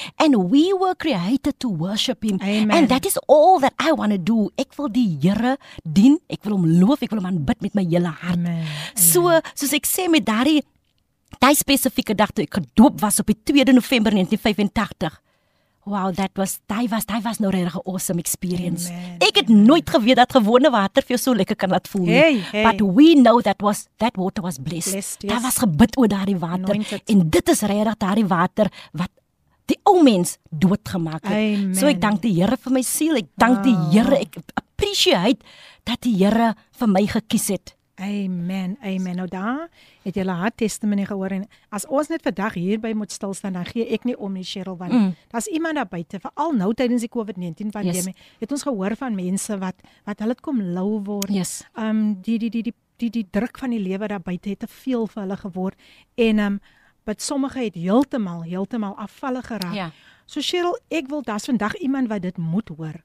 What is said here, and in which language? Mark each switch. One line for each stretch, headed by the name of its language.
English: And we were created to worship him. Amen. And that is all that I want to do.
Afrikaans: Ek wil die Here dien, ek wil hom loof, ek wil hom aanbid met my hele hart. Amen. So, soos ek sê, met daardie Die spesifieke dag toe ek gedoop was op die 2 November 1985.
English: Wow, that was,
Afrikaans: die was nou regtig 'n
English: awesome experience.
Afrikaans: Amen. Ek het nooit geweet dat gewone water vir jou so lekker kan laat voel nie. Hey.
English: But we know that water was blessed. Yes.
Afrikaans: Daar was gebid oor daardie water. En dit is regtig daardie water wat die ou mens doodgemaak het. Amen. So ek dank die Here vir my siel. Ek dank die Here. Ek appreciate dat die Here vir my gekies het. Amen, amen. Nou daar het jy 'n hard testimony gehoor. En as ons net vandag hierby moet stilstaan, dan gee ek nie om nie, Cheryl. Want daar's iemand daar buite, veral nou tydens die COVID-19 pandemie, het ons gehoor van mense wat hulle kom lou word.
English: Yes.
Afrikaans: Die druk van die lewe daar buite het te veel vir hulle geword. En but sommige het heeltemal afvallig geraak. Ja. So Cheryl, ek wil, daar's vandag iemand wat dit moet hoor.